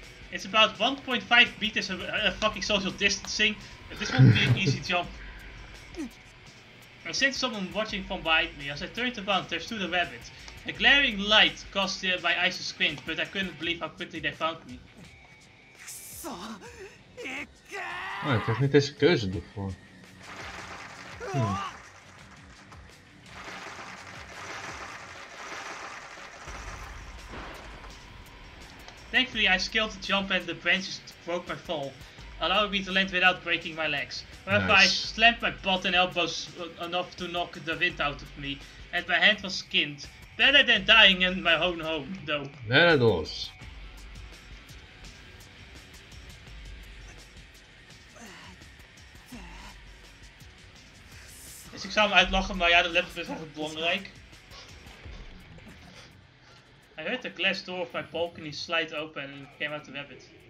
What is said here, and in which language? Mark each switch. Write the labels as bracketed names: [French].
[English] It's about 1.5 meters of fucking social distancing. This won't be an easy jump. I sense someone watching from behind me. As I turned around, there stood a rabbit. A glaring light caused my eyes to squint, but I couldn't believe how quickly they found me. [Dutch] Oh, ik heb niet deze keuze ervoor. [English] Thankfully, I skilled the jump and the branches broke my fall, allowing me to land without breaking my legs. However, nice. I slammed my butt and elbows enough to knock the wind out of me, and my hand was skinned. Better than dying in my own home, though. There it was. [Dutch] Dus ik zou hem uitlachen, maar ja, de laptop is eigenlijk belangrijk. [English] I heard the glass door of my balcony slide open and came out the rabbit.